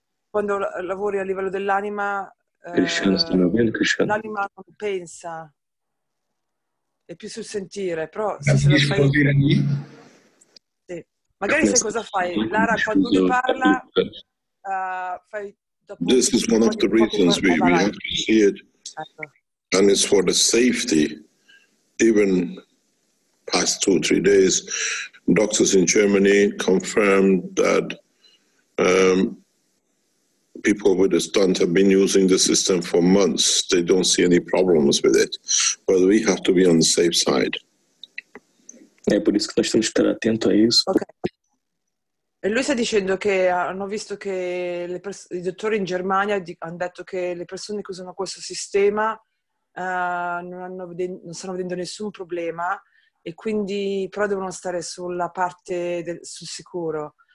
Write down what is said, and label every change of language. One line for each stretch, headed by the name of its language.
Italian: quando lavori a livello dell'anima, l'anima non pensa. È più sul sentire, però se lo fai... Magari sai cosa fai, Lara, quando lui parla, fai dopo.
English: This is one of the reasons we have to see it, ecco. And it's for the safety. Even past 2-3 days, doctors in Germany confirmed that people with a stunt have been using the system for months. They don't see any problems with it, but we have to be on the safe side.
Italian: È per questo che stiamo stando attento a isso.
English: Okay.
Italian: E lui sta dicendo che hanno visto che i dottori in Germania hanno detto che le persone che usano questo sistema non stanno vedendo nessun problema e quindi però devono stare sulla parte sul sicuro.